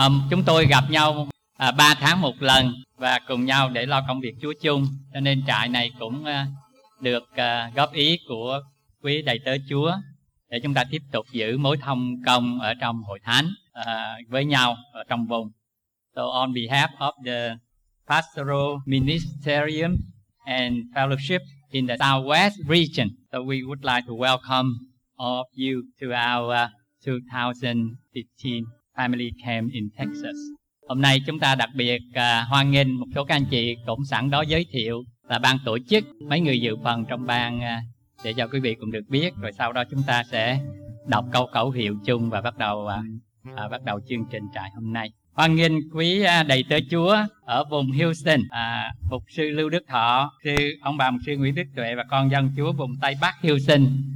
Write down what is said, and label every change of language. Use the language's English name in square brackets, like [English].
[Vietnamese] Chúng tôi gặp nhau 3 tháng một lần và cùng nhau để lo công việc Chúa chung, cho nên trại này cũng được góp ý của quý đầy tớ Chúa để chúng ta tiếp tục giữ mối thông công ở trong hội thánh với nhau ở trong vùng. [English] So on behalf of the pastoral ministerium and fellowship in the Southwest region, so we would like to welcome all of you to our 2015 family camp in Texas. [Vietnamese] Hôm nay chúng ta đặc biệt hoan nghênh một số các anh chị cũng sẵn đó giới thiệu và ban tổ chức mấy người dự phần trong ban để cho quý vị cùng được biết, rồi sau đó chúng ta sẽ đọc câu khẩu hiệu chung và bắt đầu chương trình trại hôm nay. Hoan nghênh quý đầy tớ Chúa ở vùng Houston, mục sư Lưu Đức Thọ, sư ông bà mục sư Nguyễn Đức Tuệ và con dân Chúa vùng Tây Bắc Houston.